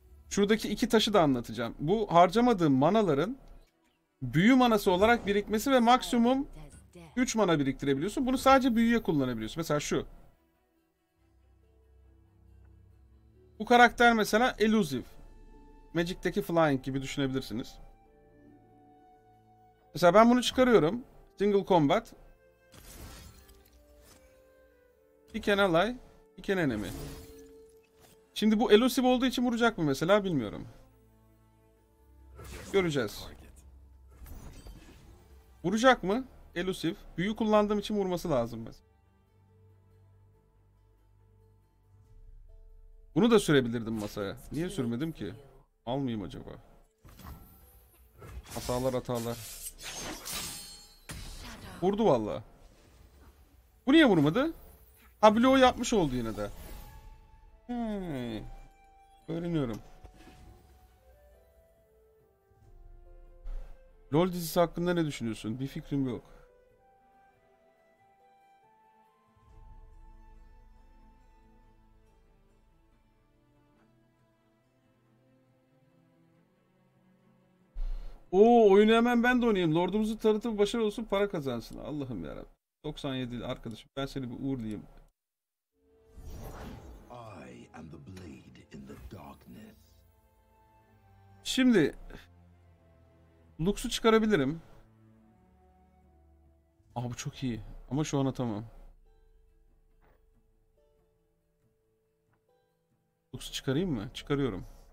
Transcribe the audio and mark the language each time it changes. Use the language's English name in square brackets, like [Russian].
[Turkish] Şuradaki iki taşı da anlatacağım. Bu harcamadığım manaların büyü manası olarak birikmesi ve maksimum 3 mana biriktirebiliyorsun. Bunu sadece büyüye kullanabiliyorsun. Mesela şu. Bu karakter mesela Elusive. Magic'teki Flying gibi düşünebilirsiniz. Mesela ben bunu çıkarıyorum. [English] Single Combat. Pick an ally, pick an enemy. [Turkish] Şimdi bu Elusive olduğu için vuracak mı mesela bilmiyorum. Göreceğiz. Vuracak mı? Elusive. Büyü kullandığım için vurması lazım mesela. Bunu da sürebilirdim masaya. Niye sürmedim ki? Almayayım acaba. Hatalar. Vurdu vallahi. Bu niye vurmadı? Ha, bloğu yapmış oldu yine de. Öğreniyorum. LoL dizisi hakkında ne düşünüyorsun? Bir fikrim yok. Oo, oyunu hemen ben de oynayayım. Lord'umuzu tanıtıp başarılı olsun, para kazansın. Allah'ım yarabbim. 97 arkadaşım, ben seni bir uğurlayayım. [English] I am the blade in the darkness. [Turkish] Şimdi Lux'u çıkarabilirim. Aa, bu çok iyi. Ama şu an atamam. Lux'u çıkarayım mı? Çıkarıyorum.